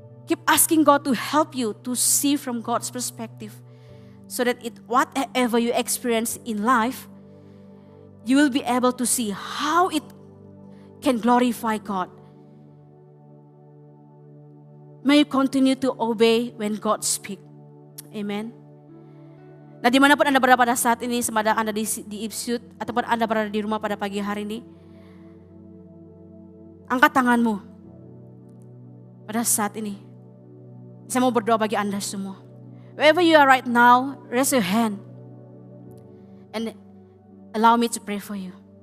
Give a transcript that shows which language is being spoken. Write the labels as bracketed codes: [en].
[en] Keep asking God to help you to see from God's perspective so that it whatever you experience in life, you will be able to see how it can glorify God. May you continue to obey when God speak. Amen. [ms] Nah, dimanapun Anda berada pada saat ini, semada Anda di Ipsut, ataupun Anda berada di rumah pada pagi hari ini, angkat tanganmu pada saat ini. Saya mau berdoa bagi Anda semua. [en] Wherever you are right now, raise your hand. And allow me to pray for you.